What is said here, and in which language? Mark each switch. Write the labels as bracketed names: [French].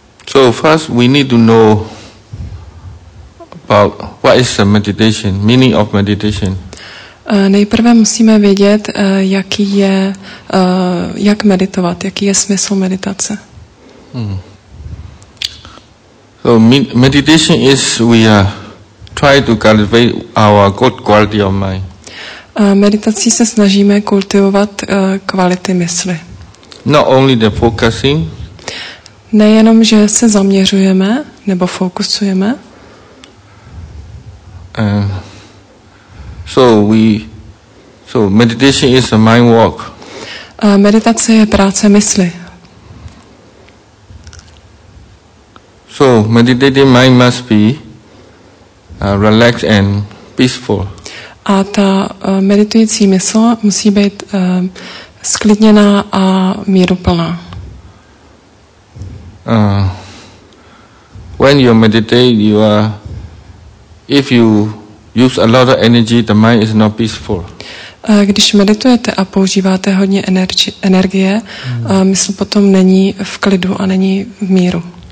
[English] So first we need to know about what is the meditation, meaning of meditation. [Czech] Nejprve musíme vědět, jaký je, jak meditovat, jaký je smysl meditace. [English] So meditation is we try to cultivate our good quality of mind. [Czech] Meditací se snažíme kultivovat kvality mysli. [English] Not only the focusing. [Czech] Nejenom, že se zaměřujeme nebo fokusujeme. [English] So meditation is a mind walk. [Czech] Meditace je práce mysli. [English] So meditating mind must be relaxed and peaceful. [Czech] A ta meditující mysl musí být sklidněná a míruplná. [English] When you meditate, you are if you use a lot of energy, the mind is not peaceful. [Czech] Když meditujete a používáte hodně energie, mysl potom není v klidu a není v míru.